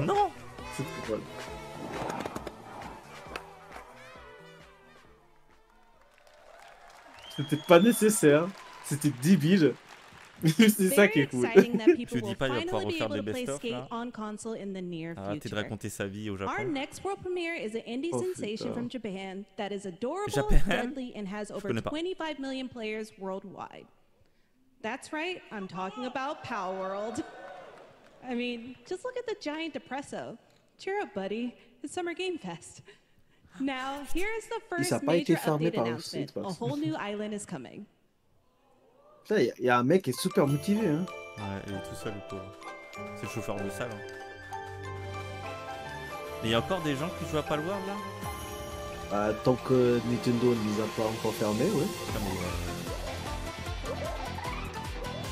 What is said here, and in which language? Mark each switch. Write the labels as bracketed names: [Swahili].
[French] Non. C'était pas nécessaire, c'était débile. C'est ça qui est cool. Je dis pas qu'il va pouvoir refaire des best-of là. Arrêtez de raconter sa vie au Japon. [English] Our next world premiere is an indie sensation from Japan that is adorable, deadly, and has over 25 million players worldwide. That's right, I'm talking about Pow World. I mean, just look at the giant depresso. Cheer up, buddy. It's Summer Game Fest. Now, here is the first major update announcement. A whole new island is coming. [French] Là, y a un mec qui est super motivé, hein. Ouais, il est tout seul, le pauvre. C'est le chauffeur de salle. Hein. Mais il y a encore des gens qui jouent à Palworld là. Tant que Nintendo ne les a pas encore fermés, ouais. Ah, mais,